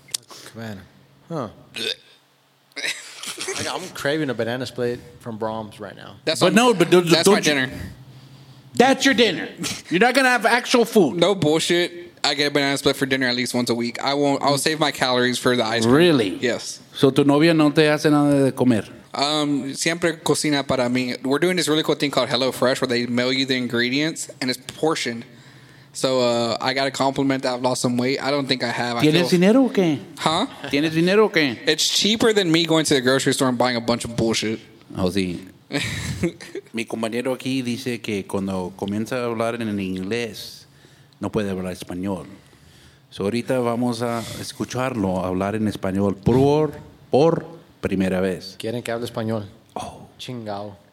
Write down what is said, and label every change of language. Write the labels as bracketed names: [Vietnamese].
[English] Taco Cabana, huh? I'm craving a banana split from Brahms right now. That's my dinner. That's your dinner. You're not gonna have actual food. No bullshit. I get a banana split for dinner at least once a week. I'll save my calories for the ice cream. Really? Yes. [Spanish] So tu novia no te hace nada de comer? Siempre cocina para mí. [English] We're doing this really cool thing called HelloFresh where they mail you the ingredients and it's portioned. So I got a compliment that I've lost some weight. I don't think I have. [Spanish] ¿Tienes dinero o qué? Huh? ¿Tienes dinero o qué? [English] It's cheaper than me going to the grocery store and buying a bunch of bullshit. [Spanish] Oh, sí. Mi compañero aquí dice que cuando comienza a hablar en inglés... No puede hablar español. So ahorita vamos a escucharlo hablar en español por primera vez. ¿Quieren que hable español? Oh. Chingao.